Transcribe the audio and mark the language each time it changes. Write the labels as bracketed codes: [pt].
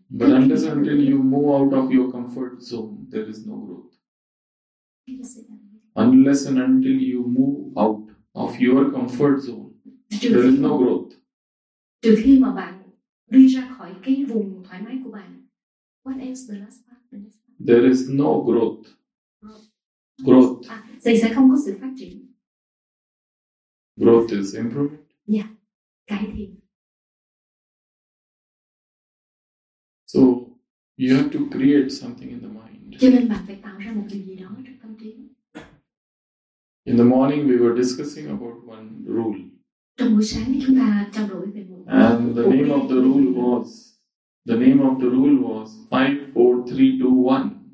[en] But until you move out of your comfort zone, there is no growth. Unless and until you move out of your comfort zone, there is no growth. [vi] Trừ khi mà bạn đi ra khỏi cái vùng thoải mái của bạn. [en] What else the last part? There is no growth. Growth. [vi] Thì sẽ không có sự phát triển. [en] Growth is improvement. [vi] Yeah. Cải thiện. [en] So you have to create something in the mind. [vi] Cho nên bạn phải tạo ra một điều gì đó trong tâm trí. [en] In the morning we were discussing about one rule. [vi] Trong buổi sáng chúng ta trao đổi về một. [en] And the name of the rule was 5, 4, 3, 2, 1.